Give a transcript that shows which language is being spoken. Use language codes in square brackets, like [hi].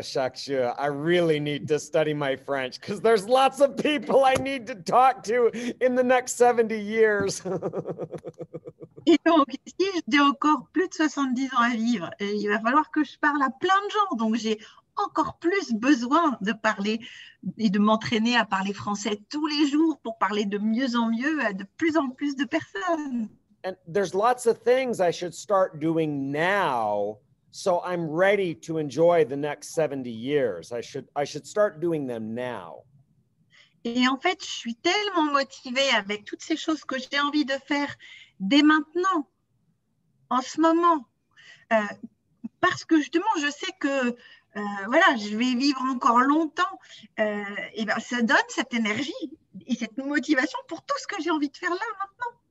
[en] I really need to study my French because there's lots of people I need to talk to in the next 70 years. [fr] Et donc, si j'ai encore plus de 70 ans à vivre, il va falloir que je parle à plein de gens. Donc, j'ai encore plus besoin de parler et de m'entraîner à parler français tous les jours pour parler de mieux en mieux à de plus en plus de personnes. [en] And there's lots of things I should start doing now, so I'm ready to enjoy the next 70 years. I should start doing them now. [fr] Et en fait, je suis tellement motivée avec toutes ces choses que j'ai envie de faire dès maintenant, en ce moment, parce que justement, je sais que voilà, je vais vivre encore longtemps. Et ben, ça donne cette énergie et cette motivation pour tout ce que j'ai envie de faire là maintenant.